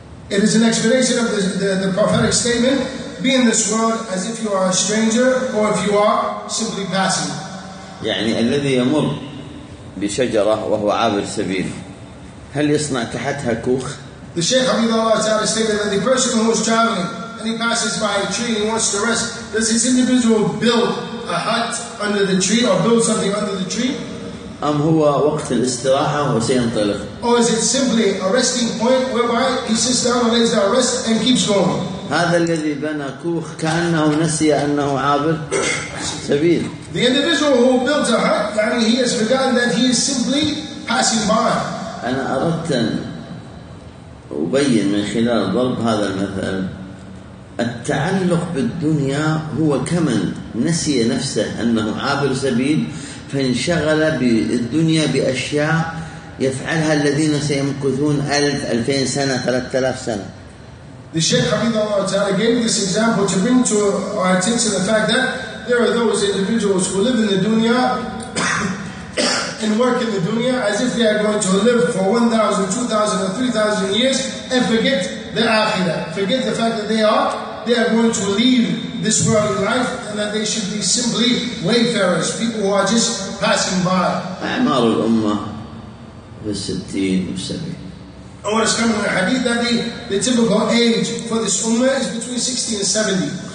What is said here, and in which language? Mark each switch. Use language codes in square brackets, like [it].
[en] It is an explanation of the prophetic statement, be in this world as if you are a stranger or if you are simply passing. [ar] يعني الذي يمر بشجرة وهو عابر سبيل هل يصنع تحتها كوخ؟ [en] The Shaykh Abid Allah Ta'ala stated that the person who is traveling and he passes by a tree and he wants to rest, does this individual build a hut under the tree or build something under the tree؟ [ar] أم هو وقت الاستراحة وسينطلق؟ [en] Or is it simply a resting point whereby he sits down and lays down rest and keeps going؟ [ar] هذا الذي بنى كوخ كأنه نسي أنه عابر سبيل. [en] The individual who built a hut, يعني he has forgotten that he is simply passing by. [ar] أنا أردت أن أبين من خلال ضرب هذا المثال التعلق بالدنيا هو كمن نسي نفسه أنه عابر سبيل فانشغل بالدنيا بأشياء يفعلها الذين سيمكثون 1,000 سنة 3,000 سنة. [en] The Shaykh Hafidhullah Ta'ala gave this example to bring to our attention the fact that there are those individuals who live in the dunya and work in the dunya as if they are going to live for 1,000, 2,000, or 3,000 years and forget the akhirah. Forget the fact that they are going to leave this world in life and that they should be simply wayfarers, people who are just passing by. [ar] أعمار الأمة في الستين والسبعين. [en] And what is coming in the hadith that the typical age for this ummah is between 60 and 70.